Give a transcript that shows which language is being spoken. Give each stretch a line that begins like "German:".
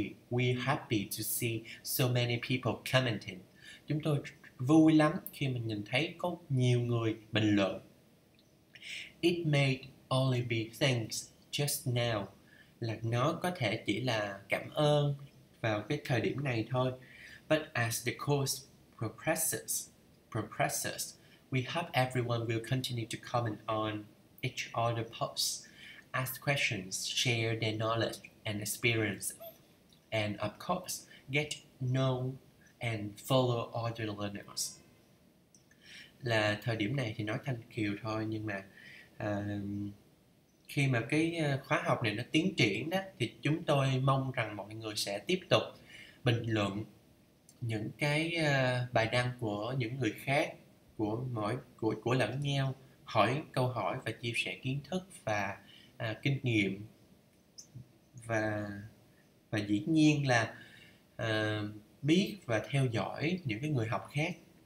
English: We happy to see so many people commenting.
Vietnamese: Chúng tôi vui lắm khi mình nhìn thấy có nhiều người bình luận.
English: It may only be thanks just now,
Vietnamese: là nó có thể chỉ là cảm ơn vào cái thời điểm này thôi.
English: But as the course progresses, we hope everyone will continue to comment on each other posts, ask questions, share their knowledge and experience, and of course, get known and follow all the learners.
Vietnamese: Là thời điểm này thì nói thanh kiều thôi, nhưng mà khi mà cái khóa học này nó tiến triển đó, thì chúng tôi mong rằng mọi người sẽ tiếp tục bình luận những cái bài đăng của những người khác, của lẫn nhau, hỏi câu hỏi và chia sẻ kiến thức và kinh nghiệm, và dĩ nhiên là biết và theo dõi những cái người học khác.